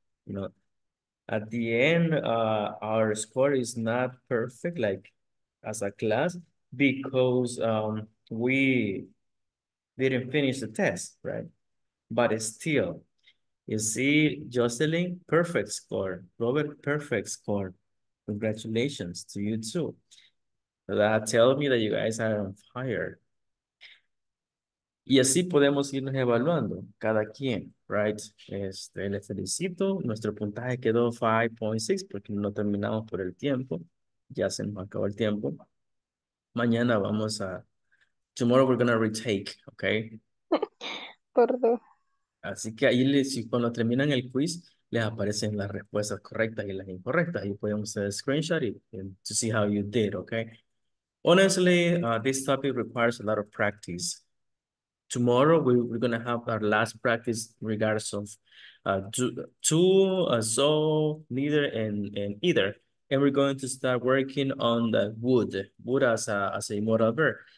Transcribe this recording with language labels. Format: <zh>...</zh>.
<en>You know, at the end, our score is not perfect, like as a class, because we didn't finish the test, right? But still, you see, Jocelyn, perfect score. Robert, perfect score. Congratulations to you too. That tells me that you guys are on fire.</en> <es>Y así podemos irnos evaluando, cada quien,</es> <en>right?</en> <es>Le felicito, nuestro puntaje quedó 5.6 porque no terminamos por el tiempo. Ya se nos acabó el tiempo. Mañana vamos a...</es> <en>Tomorrow we're going to retake, okay?</en> <es>Por dos. Así que ahí, si cuando terminan el quiz, les aparecen las respuestas correctas y las incorrectas. Ahí podemos hacer</es> <en>screenshot and to see how you did, okay? Honestly, this topic requires a lot of practice. Tomorrow, we're going to have our last practice regards of so, neither, and either. And we're going to start working on the would. Would as a modal verb.</en>